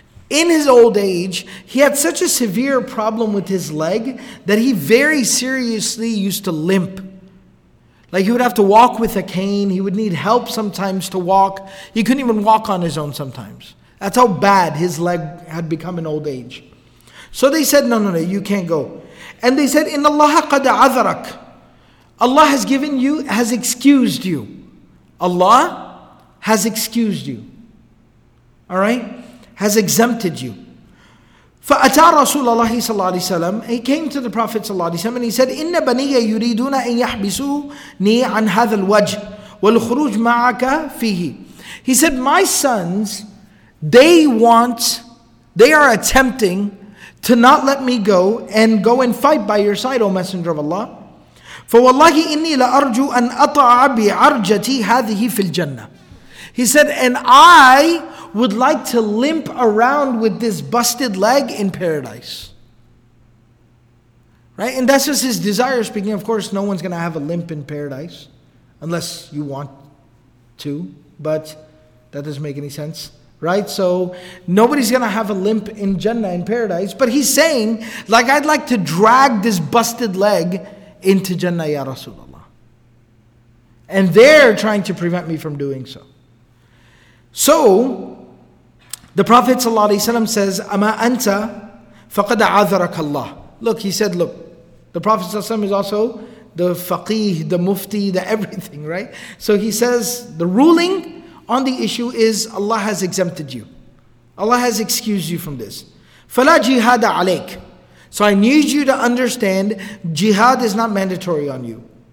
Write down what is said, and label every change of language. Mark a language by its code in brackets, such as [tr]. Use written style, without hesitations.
[en] In his old age, he had such a severe problem with his leg that he very seriously used to limp. Like he would have to walk with a cane, he would need help sometimes to walk. He couldn't even walk on his own sometimes. That's how bad his leg had become in old age. So they said, no, no, no, you can't go. And they said, [ar] إِنَّ اللَّهَ قَدْ عَذَرَكَ. [en] Allah has given you, has excused you. Allah has excused you. All right? Has exempted you. [ar] فَأَتَى رَسُولَ اللَّهِ صَلَّى اللَّهِ وَسَلَّمَ. [en] He came to the Prophet [ar] صلى الله عليه وسلم [en] and he said, [ar] إِنَّ بَنِيَّ يُرِيدُونَ أَن يَحْبِسُونِي عَنْ هَذَا الْوَجْهِ وَالْخُرُوجْ مَعَكَ فِيهِ. [en] He said, my sons, they are attempting to not let me go and fight by your side, O Messenger of Allah. [ar] فَوَاللَّهِ إِنِّي لَأَرْجُوْ أَنْ أَطَعَ بِعَرْجَتِي هَذِهِ فِي الْجَنَّةِ. [en] He said, and I would like to limp around with this busted leg in paradise. Right? And that's just his desire speaking. Of course, no one's going to have a limp in paradise unless you want to, but that doesn't make any sense. Right? So nobody's going to have a limp in Jannah, in paradise. But he's saying, like, I'd like to drag this busted leg into Jannah, Ya Rasulullah. And they're trying to prevent me from doing so. So the Prophet ﷺ says, [ar] أَمَا أَنْتَ فَقَدْ عَذَرَكَ اللَّهِ. [en] Look, he said, look, the Prophet ﷺ is also the faqih, the mufti, the everything, right? So he says, the ruling on the issue is Allah has exempted you. Allah has excused you from this. [ar] فَلَا جِهَادَ عَلَيْكَ. [en] So I need you to understand, jihad is not mandatory on you.